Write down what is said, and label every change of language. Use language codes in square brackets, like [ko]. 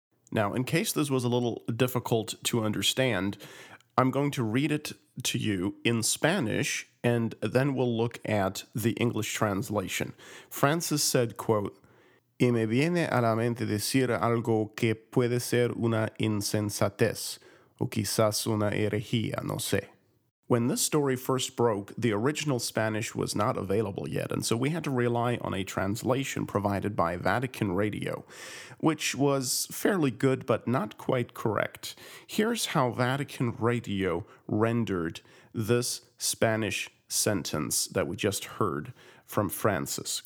[en] Now, in case this was a little difficult to understand, I'm going to read it to you in Spanish, and then we'll look at the English translation. [es] Francis said, quote, "Y me viene a la mente decir algo que puede ser una insensatez, o quizás una herejía, no sé." [en] When this story first broke, the original Spanish was not available yet, and so we had to rely on a translation provided by Vatican Radio, which was fairly good but not quite correct. Here's how Vatican Radio rendered this Spanish sentence that we just heard from Francis.